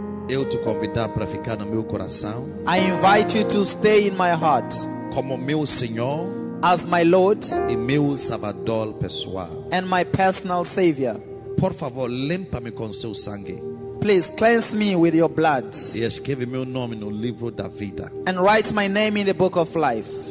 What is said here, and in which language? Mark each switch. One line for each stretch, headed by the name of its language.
Portuguese: Eu te convido para ficar no meu coração.
English: I invite you to stay in my heart.
Portuguese: Como meu Senhor.
English: As my Lord
Portuguese: e meu Salvador pessoal,
English: and my personal Savior.
Portuguese: Por favor, limpa-me com seu sangue.
English: Please cleanse me with your blood.
Portuguese: E escreve meu nome no livro da vida.
English: And write my name in the book of life.